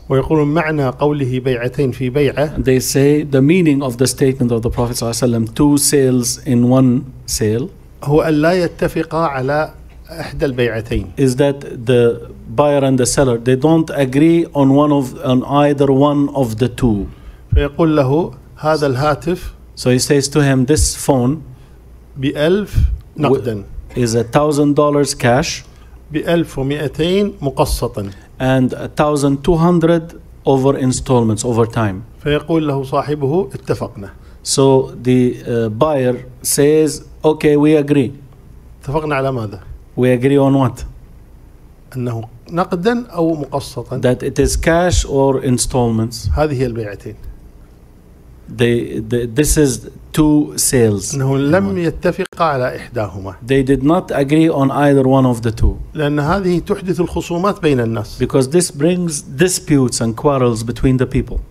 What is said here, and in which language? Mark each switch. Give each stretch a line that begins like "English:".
Arabic: ويقولون معنى قوله بيعتين في بيعة
English: they say the meaning of the statement of the Prophet
Arabic: صلى الله عليه وسلم
English: two sales in one sale
Arabic: هو ألا يتفق على إحدى البيعتين
English: is that the buyer and the seller they don't agree on one of on either one of the two
Arabic: فيقول له هذا الهاتف
English: so he says to him this phone
Arabic: بألف نقدا
English: is $1,000 cash
Arabic: بألف ومئتين مقسطا
English: and 1,200 over installments over time
Arabic: فيقول له صاحبه اتفقنا
English: so the buyer says okay we agree
Arabic: اتفقنا على ماذا
English: we agree on what
Arabic: أنه نقدا أو مقسطا
English: that it is cash or installments
Arabic: هذه هي البيعتين
English: they this is two sales
Arabic: انه لم يتفق على احداهما
English: they did not agree on either one of the two
Arabic: لان هذه تحدث الخصومات بين الناس
English: because this brings disputes and quarrels between the people